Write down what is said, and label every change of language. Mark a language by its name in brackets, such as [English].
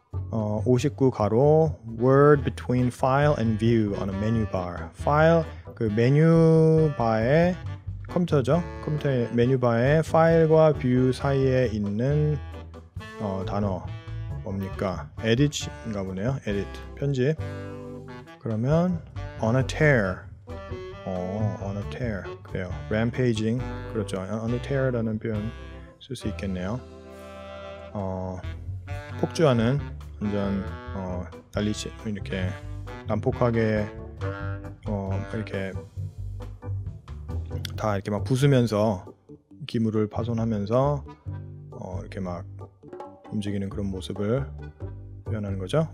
[English] 59 가로 word between file and view on a menu bar. [Korean] file 그 메뉴 바에 컴퓨터죠. 컴퓨터 메뉴 바에 파일과 뷰 사이에 있는 단어 뭡니까? edit인가 보네요. edit 편집. 그러면 [English] on a tear. on a tear [Korean] 그래요. rampaging 그렇죠. [English] on a tear [Korean] 라는 표현 쓸 수 있겠네요. 폭주하는 완전 난리치 이렇게 난폭하게 이렇게 다 이렇게 막 부수면서 기물을 파손하면서 이렇게 막 움직이는 그런 모습을 표현하는 거죠.